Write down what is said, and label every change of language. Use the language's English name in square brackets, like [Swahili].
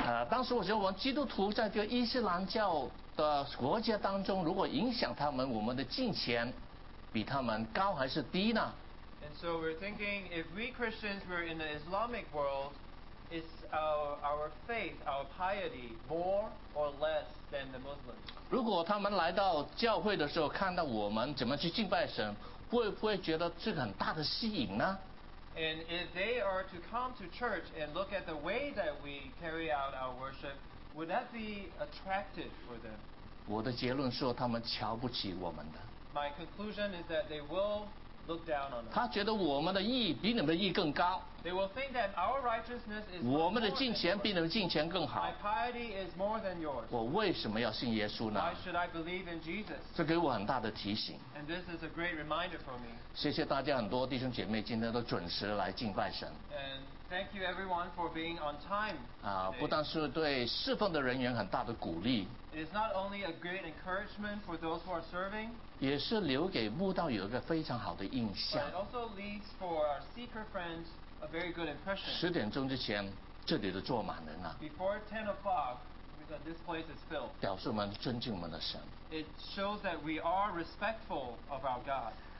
[Chinese] 当时我觉得我们基督徒在这个伊斯兰教的国家当中，如果影响他们，我们的敬虔比他们高还是低呢 [English] ？And so we're thinking, if we Christians were in the Islamic world, is our faith, our piety, more or less than the Muslims? [Chinese] 如果他们来到教会的时候，看到我们怎么去敬拜神，会不会觉得这个很大的吸引呢？ [English] And if they are to come to church and look at the way that we carry out our worship, would that be attractive for them? [Chinese] 我的结论说他们瞧不起我们的。 [English] My conclusion is that they will look down on us. [Chinese] 他觉得我们的义比你们的义更高。 [English] They will think that our righteousness is [Chinese] 我们的敬虔比你们敬虔更好。 [English] My piety is more than yours. [Chinese] 我为什么要信耶稣呢 [English] ？Why should I believe in Jesus? [Chinese] 这给我很大的提醒。 [English] And this is a great reminder for me. [Chinese] 谢谢大家，很多弟兄姐妹今天都准时来敬拜神。 [English] And thank you everyone for being on time. [Chinese] 不但是对侍奉的人员很大的鼓励。 [English] It is not only a great encouragement for those who are serving. [Chinese] 也是留给慕道有一个非常好的印象。 [English] But it also leads for our seeker friends. A very good impression. [Chinese] 十点钟之前，这里都坐满人了。 [English] Before 10 o'clock, this place is filled. [Chinese] 表示我们尊敬我们的神。 [English] It shows that we are respectful of our God.